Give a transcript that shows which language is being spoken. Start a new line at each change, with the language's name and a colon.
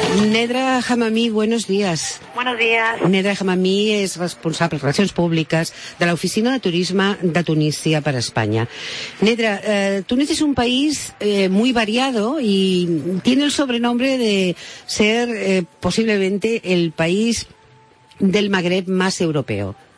Spanish: Nedra Hamami, buenos días. Buenos días.
Catalan: Nedra Hamami és responsable de relacions públiques de l'Oficina de Turisme de Tunísia per Espanya.
Spanish: Nedra,
Catalan: Tunísia és un país
Spanish: muy variado y tiene el sobrenombre de ser posiblemente el país del Magreb más europeo.